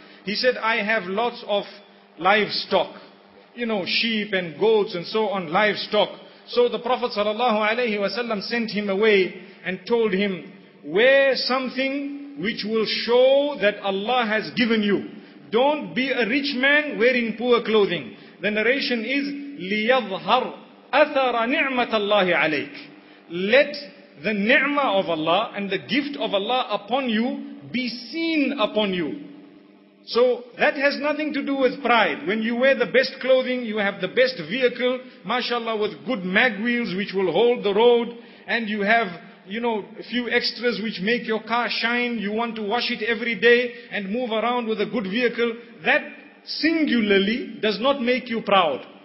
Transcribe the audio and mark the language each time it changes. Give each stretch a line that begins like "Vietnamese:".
English: He said, I have lots of livestock. You know, sheep and goats and so on, livestock. So the Prophet sallallahu alayhi wa sallam sent him away and told him, wear something which will show that Allah has given you. Don't be a rich man wearing poor clothing. The narration is,
Arabic: لِيَظْهَرْ أَثَرَ نِعْمَةَ اللَّهِ عَلَيْكَ.
English: Let the ni'mah of Allah and the gift of Allah upon you be seen upon you. So that has nothing to do with pride. When you wear the best clothing, you have the best vehicle, mashallah, with good mag wheels which will hold the road, and you have, you know, a few extras which make your car shine, you want to wash it every day and move around with a good vehicle, that singularly does not make you proud.